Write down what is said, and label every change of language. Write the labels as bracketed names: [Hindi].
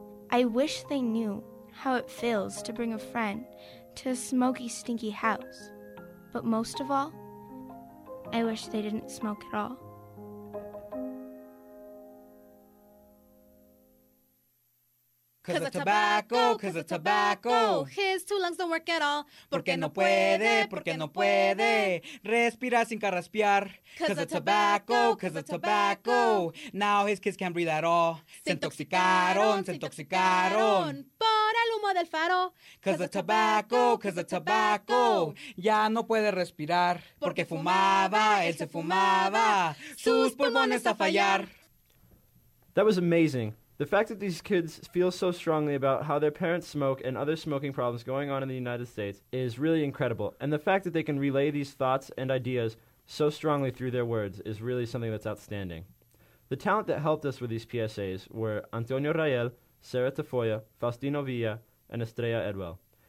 [English] I wish they knew how it feels to bring a friend to a smoky, stinky house. But most of all, I wish they didn't smoke at all. Cause of tobacco, cause of tobacco. His two lungs don't work at all. [Spanish] Porque no puede, porque no puede. Respira sin carraspear. [English] Cause of tobacco, cause of tobacco. Now his kids can't breathe at all. [Spanish] Se intoxicaron, se intoxicaron. Por el humo del faro. [English] Cause of tobacco, cause of tobacco. [Spanish] Ya no puede respirar. Porque fumaba, él se fumaba. Sus pulmones a fallar. [English] That was amazing. The fact that these kids feel so strongly about how their parents smoke and other smoking problems going on in the United States is really incredible. And the fact that they can relay these thoughts and ideas so strongly through their words is really something that's outstanding. The talent that helped us with these PSAs were Antonio Rael, Sarah Tafoya, Faustino Villa, and Estrella Edwell.